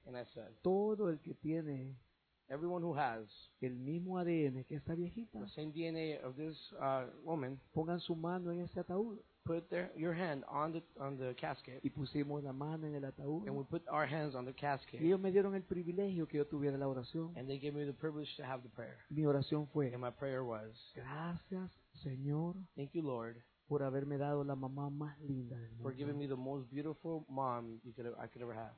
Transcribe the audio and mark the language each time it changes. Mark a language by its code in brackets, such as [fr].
[en] and I said [es] todo el que tiene [en] everyone who has [es] el mismo ADN que esta viejita, [en] the same DNA of this woman [es] pongan su mano en ese ataúd. [en] Put your hand on the casket. [es] Y pusimos la mano en el ataúd. [en] And we put our hands on the casket. [es] Y ellos me dieron el privilegio que yo tuviera la oración. [en] And they gave me the privilege to have the prayer. [es] Mi oración fue. [en] And my prayer was. [es] Gracias, Señor. [en] Thank you, Lord. [es] Por haberme dado la mamá más linda del mundo. [en] For giving me the most beautiful mom I could ever have.